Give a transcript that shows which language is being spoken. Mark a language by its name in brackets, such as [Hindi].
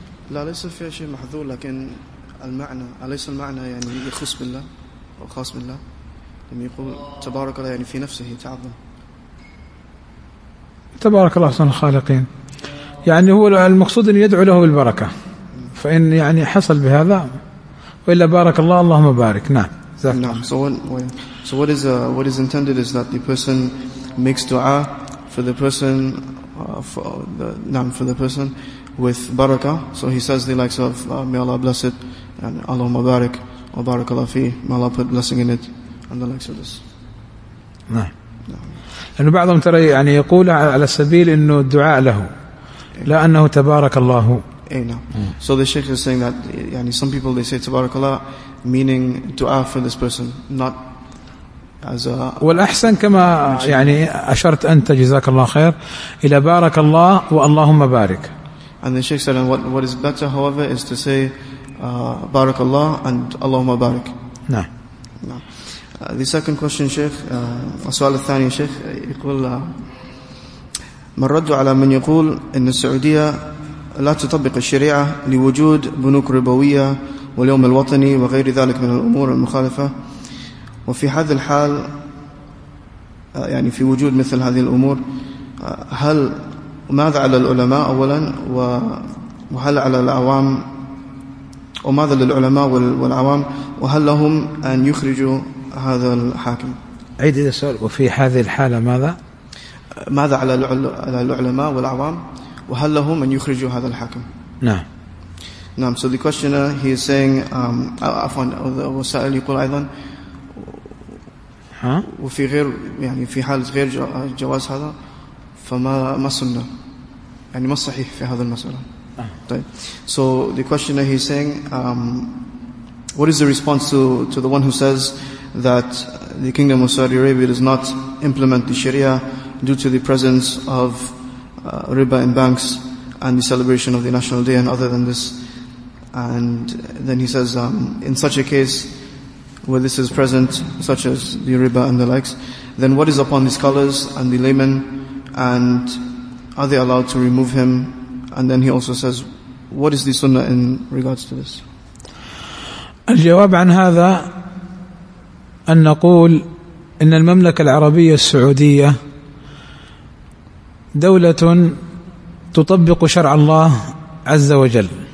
[Arabic] لا ليس فيها شيء محذور، لكن المعنى أليس المعنى يعني يخص بالله أو خاص بالله؟ لما يقول تبارك الله يعني في نفسه تعظم، تبارك الله أحسن الخالقين، يعني هو المقصود أن يدعو له بالبركة، فإن يعني حصل بهذا وإلا بارك الله اللهم بارك. نعم نعم. [English] So what is what is intended is that the person makes dua for the person for the person with baraka. So he says the likes of may Allah bless it and Allahumma barik or barakallahu fi, may Allah put blessing in it and the likes of this. [Arabic] نعم. لأن بعضهم ترى يعني يقول على سبيل إنه الدعاء له لا أنه تبارك الله. [English] So the Sheikh is saying that يعني some people they say [Arabic] تبارك الله [English] meaning dua for this person, not as a. [Arabic] والأحسن كما يعني أشرت أنت جزاك الله خير إلى بارك الله واللهم بارك. [English] And the Sheikh said, and what is better, however, is to say [Arabic] بارك الله [English] and [Arabic] اللهم بارك. نعم. [English] The second question, Sheikh. [Arabic] السؤال الثاني, Sheikh. يقول من رد على من يقول إن السعودية لا تطبق الشريعة لوجود بنوك ربوية واليوم الوطني وغير ذلك من الأمور المخالفة، وفي هذا الحال يعني في وجود مثل هذه الأمور هل ماذا على العلماء أولا وهل على العوام وماذا للعلماء والعوام وهل لهم أن يخرجوا هذا الحاكم؟ عيد السؤال. وفي هذه الحالة ماذا؟ ماذا على العلماء والعوام وهل لهم أن يخرجوا هذا الحاكم؟ نعم. نعم. [English] So the questioner he is saying [Arabic] وسائل يقول أيضا ها وفي غير يعني في حال غير جواز هذا فما ما سنة يعني ما صحيح في هذا المسألة. طيب. [English] So the questioner he is saying what is the response to the one who says that the Kingdom of Saudi Arabia does not implement the Sharia due to the presence of riba in banks and the celebration of the National Day and other than this. And then he says, in such a case where this is present, such as the riba and the likes, then what is upon the scholars and the laymen, and are they allowed to remove him? And then he also says, what is the sunnah in regards to this? [Arabic] الجواب عن هذا أن نقول إن المملكة العربية السعودية دولة تطبق شرع الله عز وجل.